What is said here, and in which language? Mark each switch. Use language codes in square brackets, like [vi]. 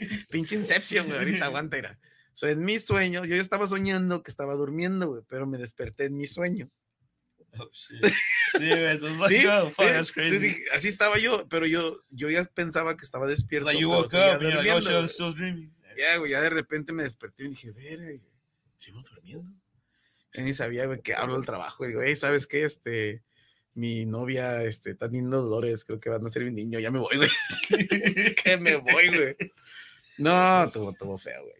[es] Pinche Inception, güey. Ahorita aguanta, era. So, en mi sueño, yo ya estaba soñando que estaba durmiendo, güey, pero me desperté en mi sueño. [en] Oh, shit. [es] Sí, eso es [en] like, ¿sí? Oh, fuck, that's crazy. Sí, [es] así estaba yo, pero yo ya pensaba que estaba despierto. [en] Like, you woke up, you're like, oh, shit, I'm still dreaming. [es] Ya, güey, ya de repente me desperté y dije, vera, ¿sigo durmiendo? Y ni sabía, güey, que hablo del trabajo. Y digo, hey, ¿sabes qué? Este, mi novia, este, está teniendo dolores, creo que van a ser mi niño, ya me voy, güey. Que me voy, güey. No, tuvo feo, güey.